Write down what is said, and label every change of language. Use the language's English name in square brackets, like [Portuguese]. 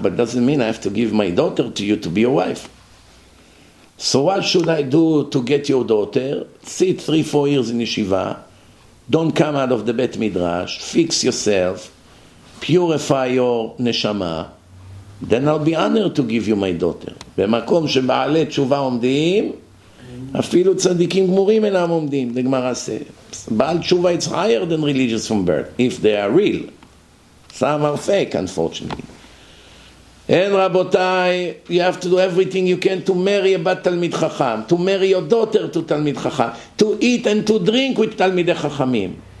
[English] But doesn't mean I have to give my daughter to you to be your wife. So what should I do to get your daughter? Sit 3-4 years in yeshiva. Don't come out of the Bet Midrash. Fix yourself. Purify your neshama. Then I'll be honored to give you my daughter. [Hebrew] במקום שבעלי תשובה עומדים, אפילו צדיקים גמורים אינם עומדים, לגמרא says. [English] בעל תשובה is higher than religious from birth, if they are real. Some are fake, unfortunately. And רבותיי, you have to do everything you can to marry a bat תלמיד חכם, to marry your daughter to תלמיד חכם, to eat and to drink with תלמידי חכמים.